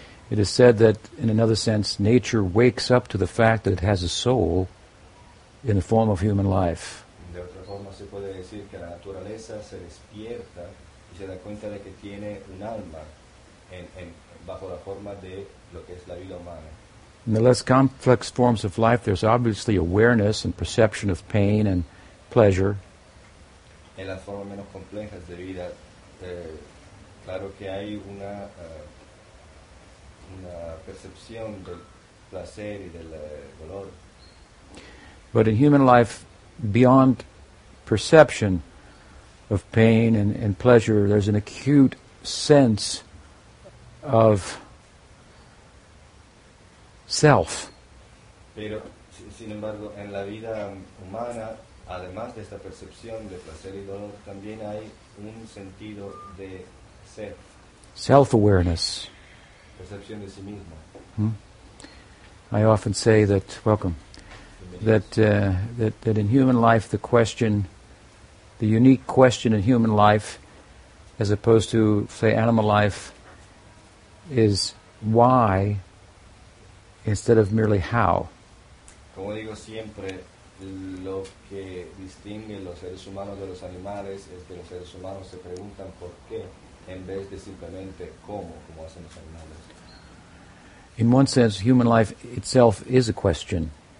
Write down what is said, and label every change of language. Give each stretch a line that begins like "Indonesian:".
English: It is said that, in another sense, nature wakes up to the fact that it has a soul in the form of human life.
Spanish: De otra forma, se puede decir que la naturaleza se despierta y se da cuenta de que tiene un alma en bajo la forma de lo que es la vida humana.
English: In the less complex forms of life, there's obviously awareness and perception of pain and pleasure.
Spanish: En las formas menos complejas de vida, claro que hay una percepción del placer y del dolor.
English: But in human life, beyond perception of pain and pleasure, there's an acute sense of self.
Spanish: Pero, sin embargo, en la vida humana, además de esta percepción de placer y dolor, también hay un sentido de ser.
English: Self-awareness.
Spanish: Percepción de sí mismo.
English: I often say that, welcome, that in human life the question, the unique question in human life, as opposed to, say, animal life, is why, instead of merely how.
Spanish: Como digo siempre, lo que distingue los seres humanos de los animales es que los seres humanos se preguntan por qué en vez de simplemente cómo, como hacen los animales.
English: In one sense, human life itself is a question.